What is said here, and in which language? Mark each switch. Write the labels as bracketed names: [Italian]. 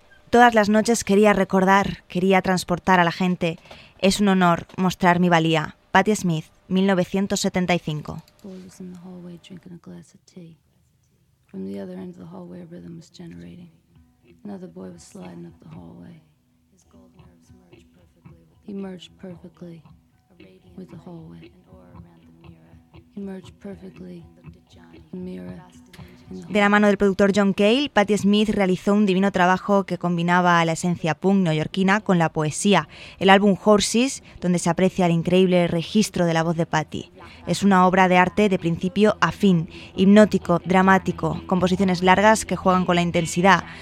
[Spanish] Todas las noches quería recordar, quería transportar a la gente. Es un honor mostrar mi valía. Patti Smith, 1975. [English] Boy was in the hallway drinking a glass of tea. From the other end of the hallway, a rhythm was generating. Another boy was sliding up the hallway. His gold nerves merged perfectly. He merged perfectly with the hallway. He merged perfectly. The mirror. [Spanish] De la mano del productor John Cale, Patti Smith realizó un divino trabajo que combinaba la esencia punk neoyorquina con la poesía. El álbum Horses, donde se aprecia el increíble registro de la voz de Patti, es una obra de arte de principio a fin, hipnótico, dramático, composiciones largas que juegan con la intensidad.